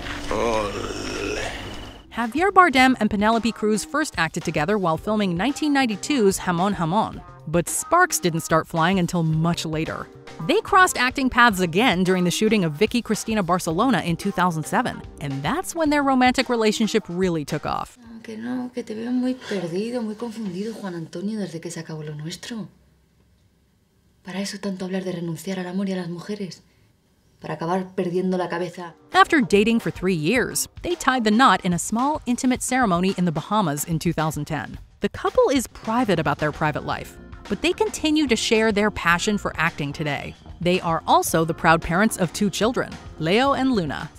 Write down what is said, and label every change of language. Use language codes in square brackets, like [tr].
[en] Olé. Javier Bardem and Penelope Cruz first acted together while filming 1992's Jamón Jamón. But sparks didn't start flying until much later. They crossed acting paths again during the shooting of Vicky Cristina Barcelona in 2007, and that's when their romantic relationship really took off. [es] Que no, que te veo muy perdido, muy confundido, Juan Antonio, desde que se acabó lo nuestro. Para eso tanto hablar de renunciar al amor y a las mujeres. Para acabar perdiendo la cabeza. [en] After dating for 3 years, they tied the knot in a small, intimate ceremony in the Bahamas in 2010. The couple is private about their private life, but they continue to share their passion for acting today. They are also the proud parents of 2 children, Leo and Luna.